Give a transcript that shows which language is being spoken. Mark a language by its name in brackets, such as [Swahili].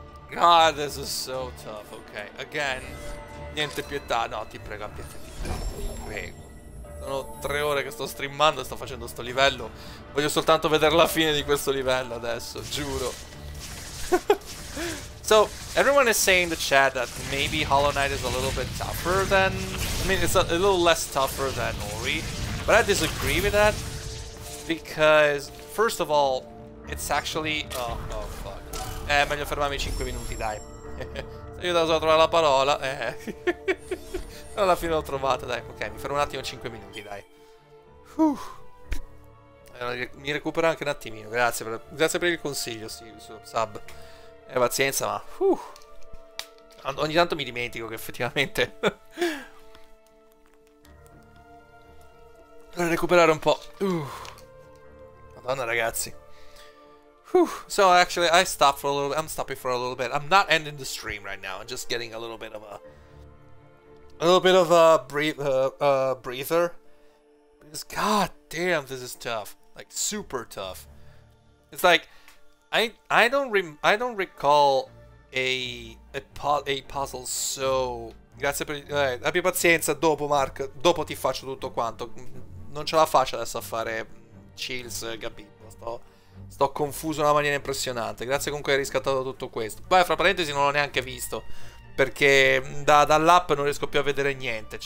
[English] God, this is so tough. Ok, again. [Italian] Niente pietà. No, ti prego, abbi pietà. Ti prego. Sono tre ore che sto streamando e sto facendo sto livello. Voglio soltanto vedere la fine di questo livello adesso, giuro. [English] So, everyone is saying in the chat that maybe Hollow Knight is a little bit tougher than... I mean, it's a little less tougher than Ori. But I disagree with that. Because, first of all, It's actually... Oh, oh fuck. [Italian] Meglio fermarmi 5 minuti, dai. Se io devo trovare la parola, alla fine l'ho trovata, dai. Ok, mi fermo un attimo 5 minuti, dai. Mi recupero anche un attimino. Grazie per il consiglio, sì, sub. Pazienza, ma... Ogni tanto mi dimentico che effettivamente... Dovrei recuperare un po'. Madonna, ragazzi. [English] So actually I stopped for a little bit. I'm stopping for a little bit. I'm not ending the stream right now. I'm just getting a little bit of a breather. Because god damn, this is tough. Like super tough. It's like I don't recall a puzzle so. [Italian] Grazie per abbi pazienza dopo Mark, dopo ti faccio tutto quanto. Non ce la faccio adesso a fare chills, capito? Sto confuso in una maniera impressionante. Grazie comunque che hai riscattato tutto questo. Poi, fra parentesi, non l'ho neanche visto. Perché dall'app non riesco più a vedere niente.